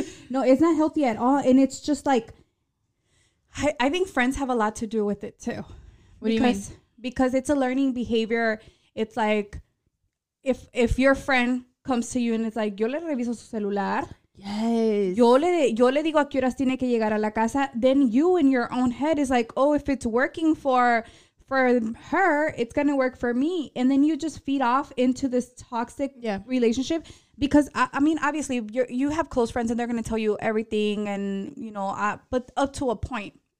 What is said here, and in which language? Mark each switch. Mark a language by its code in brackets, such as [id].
[en] No, it's not healthy at all. And it's just like, I think friends have a lot to do with it too. What do you mean? Because it's a learning behavior. It's like if your friend comes to you and it's like, [es] yo le reviso su celular. [en] Yes. [es] Yo le digo a qué horas tiene que llegar a la casa. [en] Then you in your own head is like, oh, if it's working for her, it's going to work for me. And then you just feed off into this toxic relationship. Because, I mean, obviously, you have close friends and they're going to tell you everything. And, you know, but up to a point.